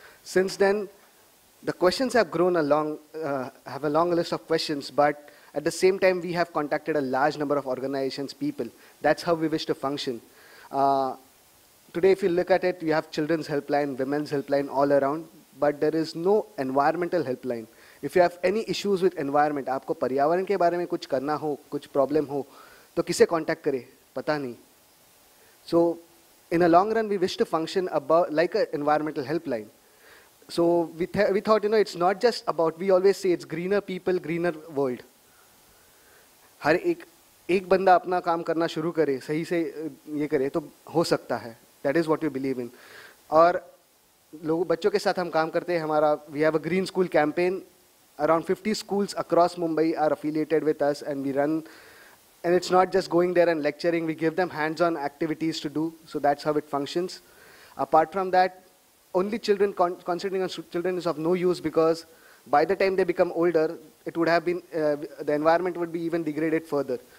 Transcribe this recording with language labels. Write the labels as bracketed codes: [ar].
[en] Since then, the questions have grown along, have a long list of questions, but at the same time, we have contacted a large number of organizations, people. That's how we wish to function. Today, if you look at it, we have children's helpline, women's helpline all around, but there is no environmental helpline. If you have any issues with environment, [hi] आपको पर्यावरण के बारे में कुछ करना हो, कुछ problem हो, तो किसे कॉन्टैक्ट करें पता नहीं. [en] So in a long run we wish to function about like a environmental helpline. So we thought you know it's not just about, we always say it's greener people greener world. [hi] हर एक बंदा अपना काम करना शुरू करे, सही से ये करे, तो हो सकता है. [en] That is what you believe in. [hi] और लोग बच्चों के साथ हम काम करते हैं, हमारा [en] We have a green school campaign. Around 50 schools across Mumbai are affiliated with us and we run. And it's not just going there and lecturing, we give them hands-on activities to do, so that's how it functions. Apart from that, only children, concentrating on children is of no use, because by the time they become older, it would have been, the environment would be even degraded further.